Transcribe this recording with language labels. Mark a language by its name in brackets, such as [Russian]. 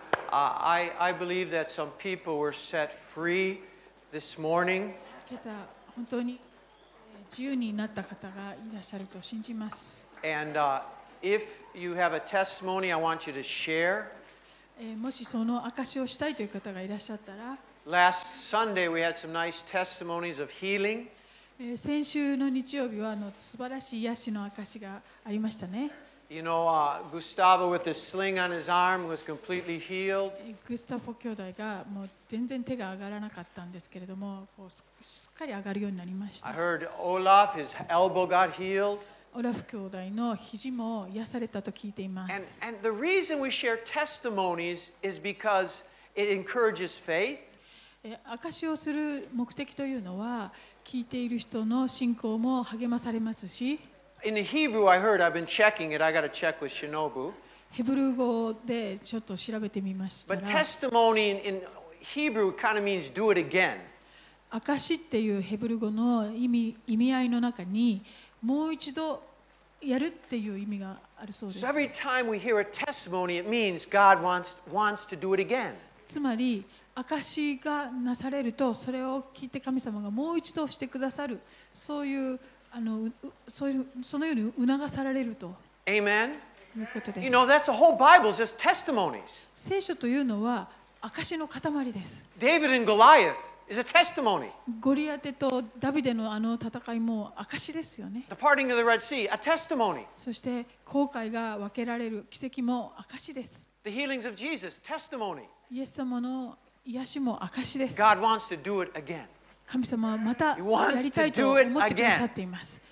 [English] I believe that some people were set free this morning. [Japanese] 今朝本当に自由になった方がいらっしゃると信じます。 [English] And if you have a testimony, I want you to share. [Japanese] もしその証をしたいという方がいらっしゃったら。 [English] Last Sunday, we had some nice testimonies of healing. [Japanese] 先週の日曜日は素晴らしい癒しの証がありましたね。 [English] You know, Gustavo with the sling on his arm was completely healed. [Japanese] Gustavo 兄弟がもう全然手が上がらなかったんですけれども、こうすっかり上がるようになりました。 [English] I heard Olaf, his elbow got healed. [Japanese] Olaf 兄弟の肘も癒されたと聞いています。 [English] And the reason we share testimonies is because it encourages faith. [Japanese] 証をする目的というのは、聞いている人の信仰も励まされますし、 [English] In the Hebrew, I heard. I've been checking it. I got to check with Shinobu. [Japanese] ヘブル語でちょっと調べてみましたら。 [English] But testimony in Hebrew kind of means do it again. [Japanese] 証っていうヘブル語の意味合いの中にもう一度やるっていう意味があるそうです。 [English] So every time we hear a testimony, it means God wants to do it again. [Japanese] つまり証がなされるとそれを聞いて神様がもう一度してくださるそういう。そのように促されるということです。 [English] You know, that's the whole Bible, just testimonies. [Japanese] 聖書というのは証の塊です。 [English] David and Goliath is a testimony. [Japanese] ゴリアテとダビデのあの戦いも証ですよね。 [English] The parting of the Red Sea, a testimony. [Japanese] そして航海が分けられる奇跡も証です。 [English] The healings of Jesus, testimony. [Japanese] イエス様の癒しも証です。 [English] God wants to do it again. [Japanese] 神様はまたやりたいと思ってくださっています。